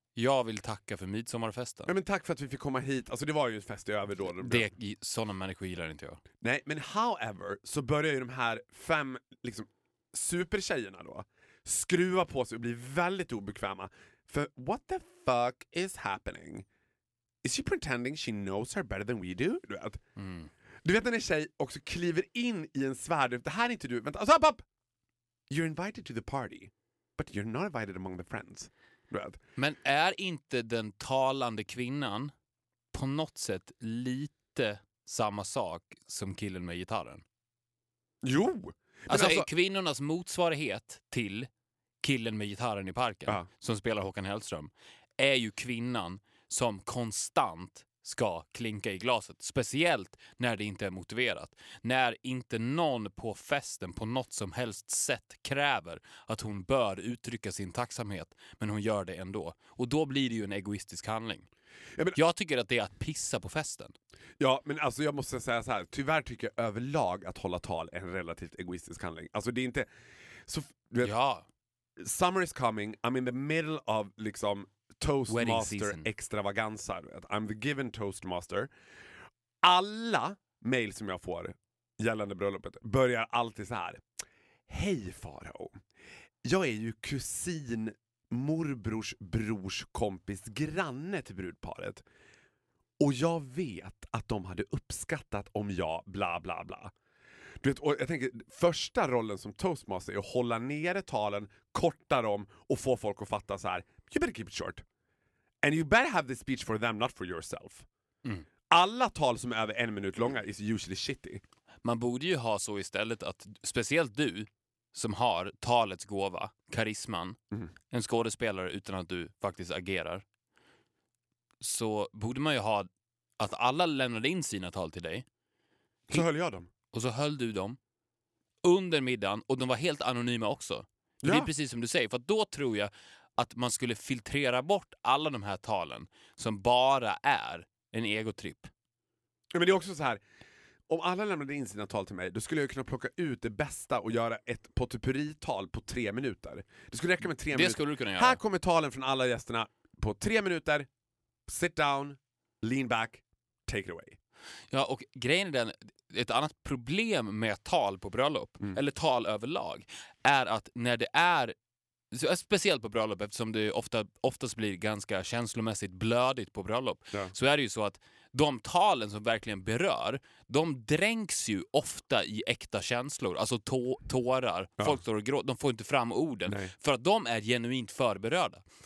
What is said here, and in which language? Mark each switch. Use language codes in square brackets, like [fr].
[sv] Jag vill tacka för midsommarfesten. Ja, men tack för att vi fick komma hit. Alltså det var ju ett fest över då. Det, sådana människor gillar inte jag. Nej, men however så börjar ju de här fem liksom supertjejerna då skruva på sig och bli väldigt obekväma. För [en] what the fuck is happening? Is she pretending she knows her better than we do? [sv] Du vet, du vet när en tjej också kliver in i en svär. Det här är inte du. Vänta, alltså, upp, upp! [en] You're invited to the party, but you're not invited among the friends. [sv] Men är inte den talande kvinnan på något sätt lite samma sak som killen med gitarren? Jo! Alltså är kvinnornas motsvarighet till killen med gitarren i parken som spelar Håkan Hellström är ju kvinnan som konstant ska klinka i glaset. Speciellt när det inte är motiverat. När inte någon på festen på något som helst sätt kräver att hon bör uttrycka sin tacksamhet. Men hon gör det ändå. Och då blir det ju en egoistisk handling. Ja, men, jag tycker att det är att pissa på festen. Ja, men alltså jag måste säga så här. Tyvärr tycker jag överlag att hålla tal är en relativt egoistisk handling. Alltså det är inte... Så, du vet, ja. [en] Summer is coming. I'm in the middle of [sv] liksom... [en] Toastmaster extravaganza. I'm the given toastmaster. [sv] Alla mail som jag får gällande bröllopet börjar alltid så här. Hej Faro. Jag är ju kusin, morbrors, brors, kompis, granne till brudparet. Och jag vet att de hade uppskattat om jag bla bla bla. Du vet, och jag tänker, första rollen som toastmaster är att hålla nere talen, korta dem och få folk att fatta så här. [en] You better keep it short. And you better have this speech for them, not for yourself. Mm. [sv] Alla tal som är över en minut långa [en] is usually shitty. [sv] Man borde ju ha så istället att, speciellt du, som har talets gåva, karisman, en skådespelare utan att du faktiskt agerar, så borde man ju ha att alla lämnade in sina tal till dig. Så höll jag dem. Och så höll du dem under middagen, och de var helt anonyma också. Ja. Det är precis som du säger, för då tror jag att man skulle filtrera bort alla de här talen som bara är en egotripp. Ja, men det är också så här. Om alla lämnade in sina tal till mig, då skulle jag kunna plocka ut det bästa och göra ett potpurrital på 3 minuter. Det skulle räcka med 3 minuter. Det skulle du kunna göra. Här kommer talen från alla gästerna på 3 minuter. [en] Sit down, lean back, take it away. [sv] Ja, och grejen är den, ett annat problem med tal på bröllop, eller tal överlag, är att när det är speciellt på bröllop, eftersom det oftast blir ganska känslomässigt blödigt på bröllop, så är det ju så att de talen som verkligen berör, de dränks ju ofta i äkta känslor, alltså tårar, folk står och gråter, de får inte fram orden, för att de är genuint förberörda.